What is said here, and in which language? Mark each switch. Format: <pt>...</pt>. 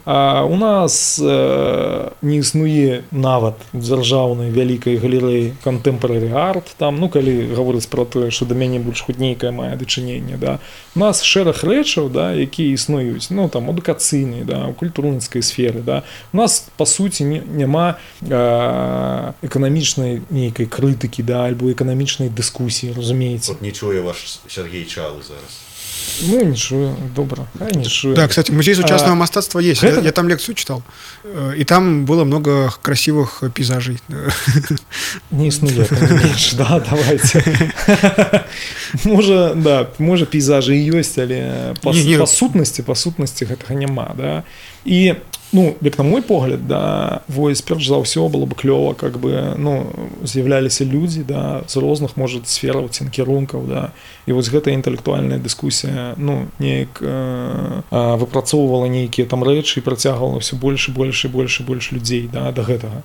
<be>У нас не існуе нават дзяржаўнай вялікай галерэі contemporary art, там, ну, калі гаворыць пра тое, што да мяне больш хоць нейкае мае дачыненне, да. У нас шэраг рэчаў, да, якія існуюць, ну, там, адукацыйныя, да, у культурніцкай сферы, да. У нас, па суці, няма эканамічнай нейкай крытыкі, да, альбо эканамічнай дыскусіі, разумееце. От не чуе ваш Сергей Чалы зараз. Ну, не чую, добра, хай не чую.</be> <ru>Да, кстати, музей сучасного мастацтва есть, это... я там лекцию читал, и там было много красивых пейзажей. Не снули, конечно, да, давайте. Может, да, может, пейзажи и есть, але по сутности этого нема, да.</ru> <be>И, ну, як на мой погляд, да, вось, перш за ўсё</be> <ru>было бы клёва, как бы,</ru> <be>ну, з'являліся людзі, да, з розных, можа, сфераў, кірункаў, да, і вось гэтая інтэлектуальная дыскусія, ну, неяк выпрацоўвала нейкія там рэчы і працягвала ўсё больш і больш і больш і больш людзей, да, да гэтага.</be>